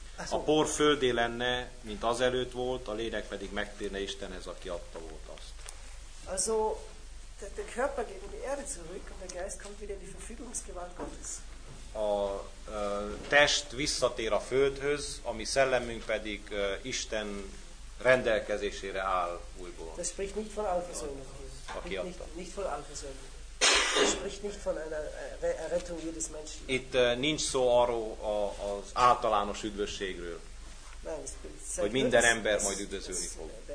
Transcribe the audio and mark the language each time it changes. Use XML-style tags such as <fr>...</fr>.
<hu>A por földé lenne, mint azelőtt volt, a lélek pedig megtérne Istenhez, aki adta volt azt.</hu> <de>Also, der Körper geht in die Erde zurück und der Geist kommt wieder in die Verfügungsgewalt Gottes.</de> <hu>A test visszatér a földhöz, a mi szellemünk pedig Isten rendelkezésére áll újból.</hu> <de>Das spricht nicht von Allversöhnung. Nicht von Allversöhnung. Es spricht nicht von einer Errettung jedes Menschen.</de> <hu>Itt nincs szó arról az általános üdvösségről. Hogy minden ember majd üdvözölni fog.</hu>